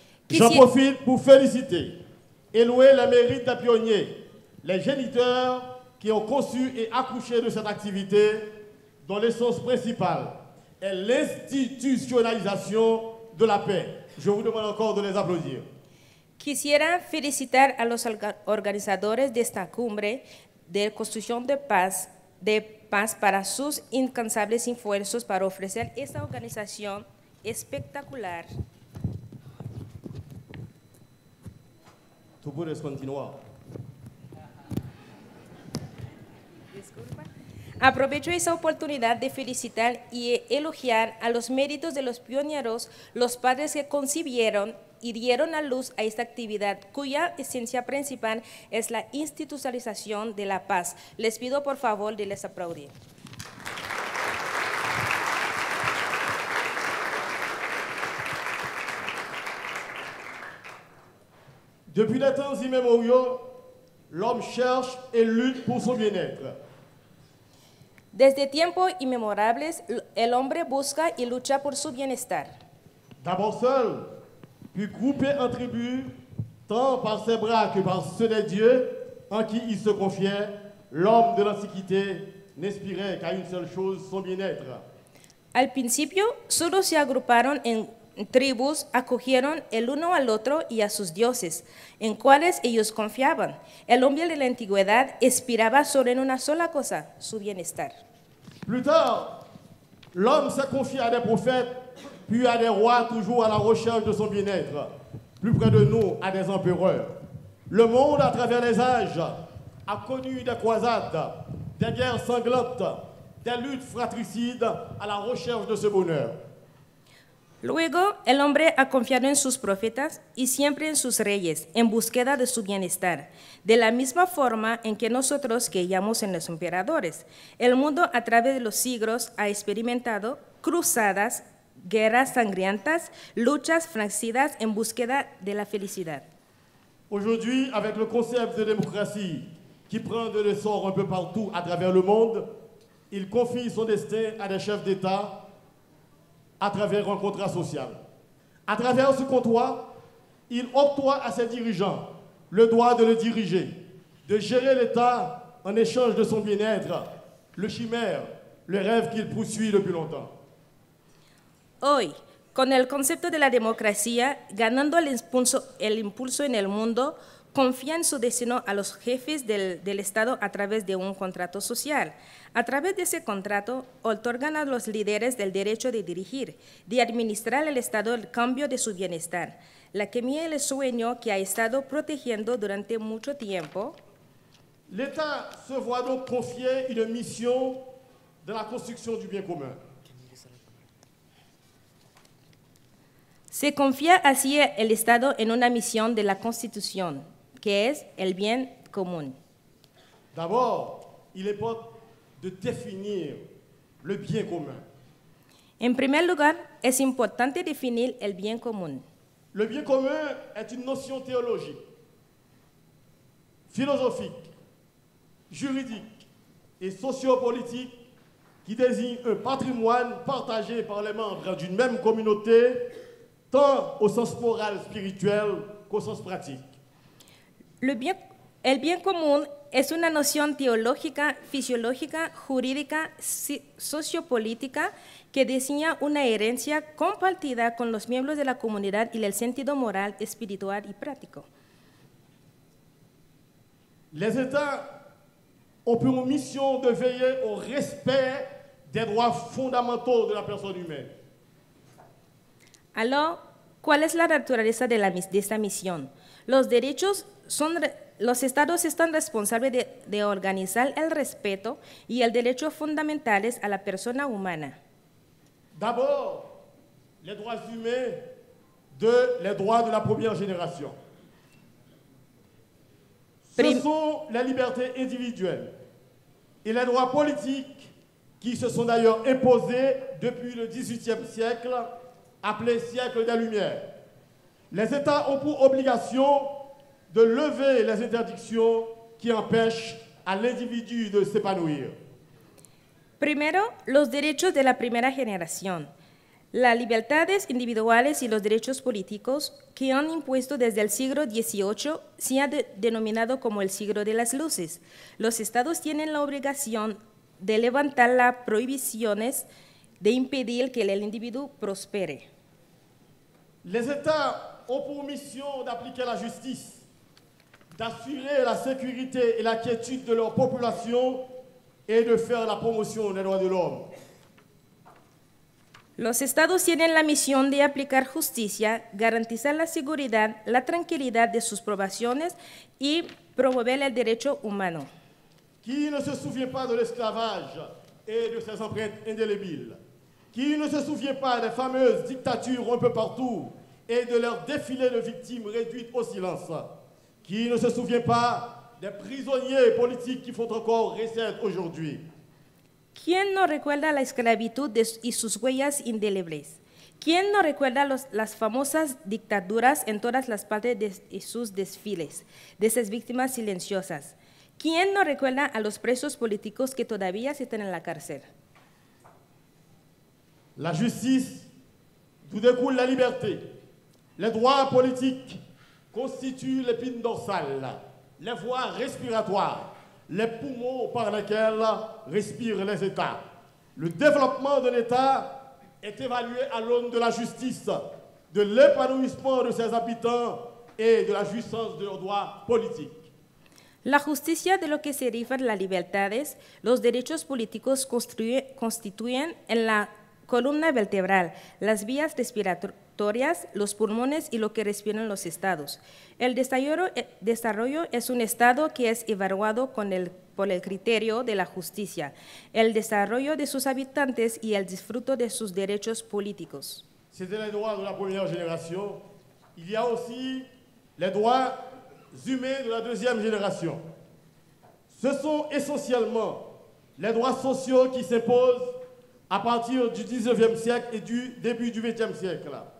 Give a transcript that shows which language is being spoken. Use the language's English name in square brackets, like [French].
[French] J'en profite pour féliciter et louer les mérites des pionniers, les géniteurs qui ont conçu et accouché de cette activité, dont l'essence principale est l'institutionnalisation de la paix. Je vous demande encore de les applaudir. [Spanish] Quisiera felicitar a los organizadores de esta cumbre de construcción de paz para sus incansables esfuerzos para ofrecer esta organización espectacular. Tú puedes continuar. Disculpa. Aprovecho esa oportunidad de felicitar y elogiar a los méritos de los pioneros, los padres que concibieron y dieron a luz a esta actividad, cuya esencia principal es la institucionalización de la paz. Les pido por favor de les aplaudir. [French] Depuis les temps immémoriaux, l'homme cherche et lutte pour son bien-être. [Spanish] Desde tiempos inmemorables, el hombre busca y lucha por su bienestar. [French] D'abord seul, puis groupé en tribu, tant par ses bras que par ceux des dieux en qui il se confiait, l'homme de l'Antiquité n'inspirait qu'à une seule chose, son bien-être. [Spanish] Al principio, solo se agruparon en tribus, acogieron el uno al otro y a sus dioses, en cuales ellos confiaban. El hombre de la antigüedad aspiraba solo en una sola cosa, su bienestar. [French] Plus tard, l'homme se confia a des prophètes, puis à des rois toujours à la recherche de son bien-être, plus près de nous, à des empereurs. Le monde, à travers les âges, a connu des croisades, des guerres sanglantes, des luttes fratricides à la recherche de ce bonheur. [Spanish] Luego, el hombre ha confiado en sus profetas y siempre en sus reyes, en búsqueda de su bienestar, de la misma forma en que nosotros creíamos en los emperadores. El mundo a través de los siglos ha experimentado cruzadas, guerras sangrientas, luchas fracidas en búsqueda de la felicidad. [French] Aujourd'hui, avec le concept de démocratie qui prend de l'essor un peu partout à travers le monde, il confie son destin à des chefs d'État à travers un contrat social. À travers ce contrat, il octroie à ses dirigeants le droit de le diriger, de gérer l'État en échange de son bien-être, le chimère, le rêve qu'il poursuit depuis longtemps. [Spanish] Hoy, con el concepto de la democracia, ganando el impulso en el mundo, confía en su destino a los jefes del Estado a través de un contrato social. A través de ese contrato, otorgan a los líderes el derecho de dirigir, de administrar el Estado el cambio de su bienestar. La que mía el sueño que ha estado protegiendo durante mucho tiempo. [French] L'État se voit donc confier une mission de la construction du bien commun. [Spanish] Se confía así el Estado en una misión de la Constitución, que es el bien común. [French] D'abord, il est pour de définir le bien commun. [Spanish] En primer lugar, es importante definir el bien común. [French] Le bien commun est une notion théologique, philosophique, juridique et sociopolitique qui désigne un patrimoine partagé par les membres d'une même communauté, tant au sens moral spirituel qu'au sens pratique. [Spanish] El bien común es una noción teológica, fisiológica, jurídica, sociopolítica que designa una herencia compartida con los miembros de la comunidad y el sentido moral, espiritual y práctico. [French] Les États ont pour mission de veiller au respect des droits fondamentaux de la personne humaine. [Spanish] Alors, ¿cuál es la naturaleza de esta misión? Los derechos son los estados están responsables de organizar el respeto y el derecho fundamentales a la persona humana. [French] D'abord, les droits humains de les droits de la première génération. Ce sont les libertés individuelles et les droits politiques qui se sont d'ailleurs imposés depuis le XVIIIe siècle, appelé siècle des Lumières. Les États ont pour obligation de lever les interdictions qui empêchent à l'individu de s'épanouir. [Spanish] Primero, los derechos de la primera generación, las libertades individuales y los derechos políticos que han impuesto desde el siglo XVIII se han denominado como el siglo de las luces. Los estados tienen la obligación de levantar las prohibiciones de impedir que el individuo prospere. Los estados han por misión de aplicar la justicia, de asegurar la seguridad y la quietud de su población y de hacer la promoción de los derechos del hombre. Los estados tienen la misión de aplicar justicia, garantizar la seguridad, la tranquilidad de sus poblaciones y promover el derecho humano. [French] Qui ne se souvient pas de l'esclavage et de ses empreintes indélébiles? Qui ne se souvient pas des fameuses dictatures un peu partout et de leurs défilés de victimes réduites au silence? Qui ne se souvient pas des prisonniers politiques qui font encore recette aujourd'hui? [Spanish] ¿Quién no recuerda la esclavitud y sus huellas indelebles? ¿Quién no recuerda las famosas dictaduras en todas las partes y sus desfiles, de esas víctimas silenciosas? ¿Quién no recuerda a los presos políticos que todavía están en la cárcel? La justicia, [French] d'où découle [Spanish] la libertad, los droits politiques constituyen la espina dorsal, [French] la voie [Spanish] respiratoria. [French] Les poumons par lesquels respirent les États. Le développement de l'État est évalué à l'aune de la justice, de l'épanouissement de ses habitants et de la jouissance de leurs droits politiques. [Spanish] La justicia de lo que se refiere a las libertades, los derechos políticos constituyen en la columna vertebral, las vías respiratorias, los pulmones y lo que respiran los estados. El desarrollo es un estado que es evaluado por el criterio de la justicia, el desarrollo de sus habitantes y el disfruto de sus derechos políticos. [French] C'était les droits de la première génération. Il y a aussi les droits humains de la deuxième génération. Ce sont essentiellement les droits sociaux qui s'imposent à partir du XIXe siècle et du début du XXe siècle.